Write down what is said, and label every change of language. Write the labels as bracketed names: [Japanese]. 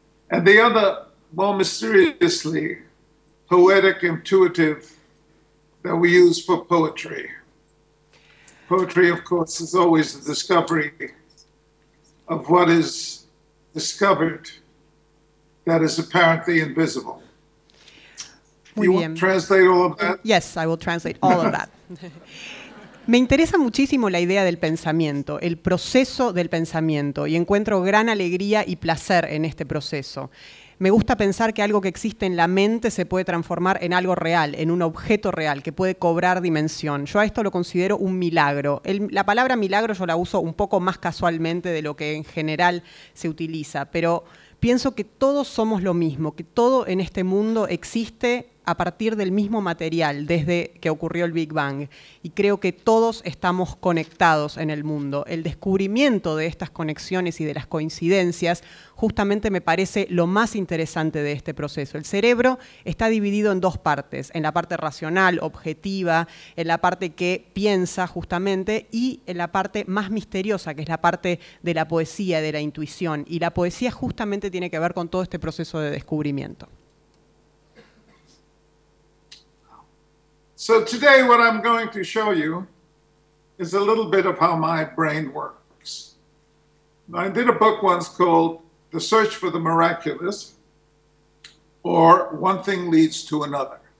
[English] And the other, more mysteriously, poetic, intuitive, that we use for poetry. Poetry, of course, is always the discovery of what is discovered that is apparently invisible. [Spanish] Muy bien. [English] You want to translate all of that? Yes, I will translate all of that. [Spanish] Me interesa muchísimo la idea del pensamiento, el proceso del pensamiento, y encuentro gran alegría y placer en este proceso. Me gusta pensar que algo que existe en la mente se puede transformar en algo real, en un objeto real, que puede cobrar dimensión. Yo a esto lo considero un milagro. La palabra milagro yo la uso un poco más casualmente de lo que en general se utiliza, pero pienso que todos somos lo mismo, que todo en este mundo existe a partir del mismo material desde que ocurrió el Big Bang. Y creo que todos estamos conectados en el mundo. El descubrimiento de estas conexiones y de las coincidencias justamente me parece lo más interesante de este proceso. El cerebro está dividido en dos partes, en la parte racional, objetiva, en la parte que piensa justamente y en la parte más misteriosa, que es la parte de la poesía, de la intuición. Y la poesía justamente tiene que ver con todo este proceso de descubrimiento. [English] So today what I'm going to show you is a little bit of how my brain works. I did a book once called The Search for the Miraculous, or One Thing Leads to Another.